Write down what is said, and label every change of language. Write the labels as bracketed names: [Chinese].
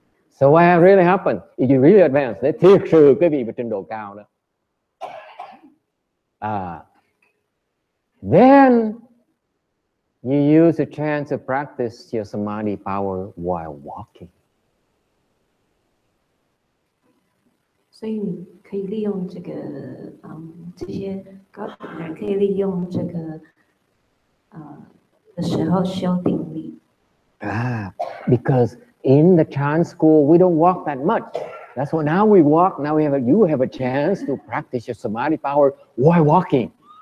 [English] So what really happened? You really advanced. [Vietnamese] Đấy, thiệt sự cái vị trình độ cao đó. [English] Then you use a chance to practice your samadhi power while walking. [Chinese] 所以你可以利用这个，这些高等人可以利用这个的时候修定力。 [English] Because in the Chan school we don't walk that much. That's why now we walk. Now we have you have a chance to practice your samadhi power while walking.